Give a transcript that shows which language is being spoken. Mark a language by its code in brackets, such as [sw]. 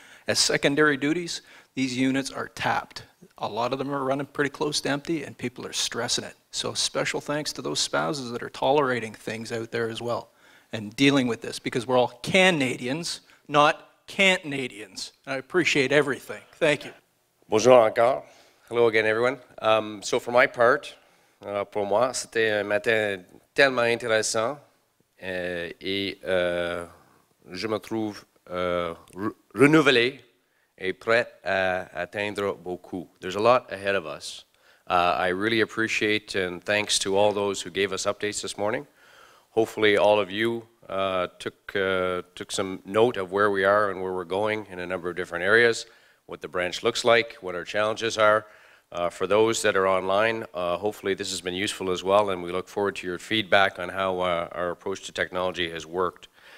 [en] As secondary duties, these units are tapped. A lot of them are running pretty close to empty, and people are stressing it. So special thanks to those spouses that are tolerating things out there as well and dealing with this, because we're all Canadians, not Cantonadians. I appreciate everything. Thank you. [fr] Bonjour encore. [en] Hello again, everyone. So for my part, [fr] pour moi, c'était un matin tellement intéressant, et je me trouve renouvelé et prêt à atteindre beaucoup. [en] There's a lot ahead of us. I really appreciate and thanks to all those who gave us updates this morning. Hopefully all of you took some note of where we are and where we're going in a number of different areas, what the branch looks like, what our challenges are. For those that are online, hopefully this has been useful as well, and we look forward to your feedback on how our approach to technology has worked.